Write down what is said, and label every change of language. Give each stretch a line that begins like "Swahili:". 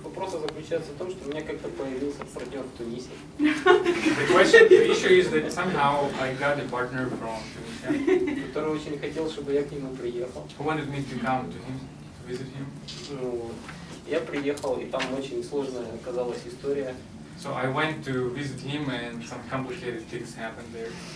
Russian: заключается в том, что у меня как-то появился партнер в Тунисе.
English: The question to issue is that somehow I got a partner from Tunisia.
Russian: Который очень хотел, чтобы я к нему приехал.
English: Who wanted me to come to him, to visit him?
Russian: Ну, я приехал, и там очень сложная оказалась история.
English: So I went to visit him, and some complicated things happened there.